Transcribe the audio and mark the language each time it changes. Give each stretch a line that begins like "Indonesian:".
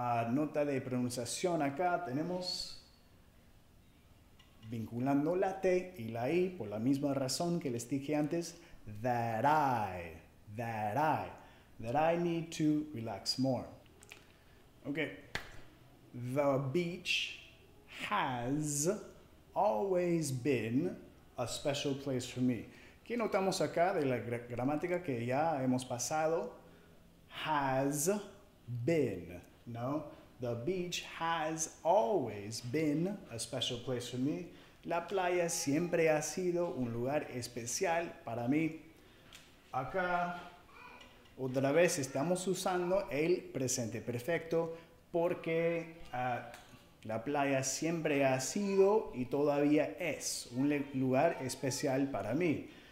Spanish: Nota de pronunciación acá, tenemos vinculando la T y la I por la misma razón que les dije antes,
English: that I need to relax more.
Spanish: Okay.
English: The beach has always been a special place for me.
Spanish: ¿Qué notamos acá de la gramática que ya hemos pasado?
English: Has been, no? The beach has always been a special place for me.
Spanish: La playa siempre ha sido un lugar especial para mí. Acá, otra vez, estamos usando el presente perfecto porque la playa siempre ha sido y todavía es un lugar especial para mí.